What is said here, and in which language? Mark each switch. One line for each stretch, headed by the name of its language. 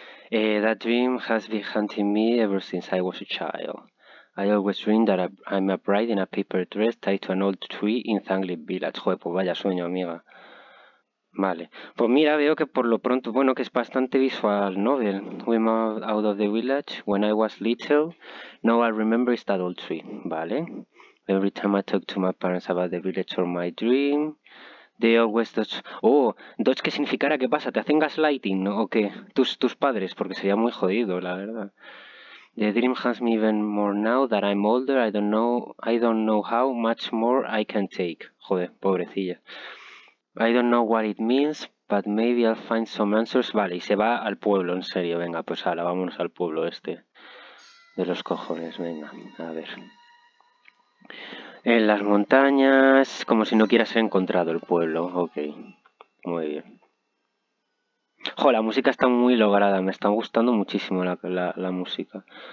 English: That dream has been haunting me ever since I was a child. I always dreamed that I'm a bride in a paper dress tied to an old tree in Thangli Village.
Spanish: Joder, pues vaya sueño, amiga. Vale. Pues mira, veo que por lo pronto, bueno, que es bastante visual novel.
English: We moved out of the village when I was little. Now I remember it's that old tree.
Spanish: Vale.
English: Every time I talk to my parents about the village or my dream.
Spanish: De Dutch. Oh, Dutch, ¿qué significará? ¿Qué pasa? ¿Te hacen gaslighting, no? ¿O qué? Tus padres, porque sería muy jodido, la verdad.
English: The dream has me even more now that I'm older. I don't know how much more I can take.
Spanish: Joder, pobrecilla.
English: I don't know what it means, but maybe I'll find some answers.
Spanish: Vale, y se va al pueblo, en serio. Venga, pues ahora vámonos al pueblo este. De los cojones, venga, a ver. En las montañas, como si no hubieras encontrado el pueblo. Ok, muy bien. Jo, la música está muy lograda, me está gustando muchísimo la música.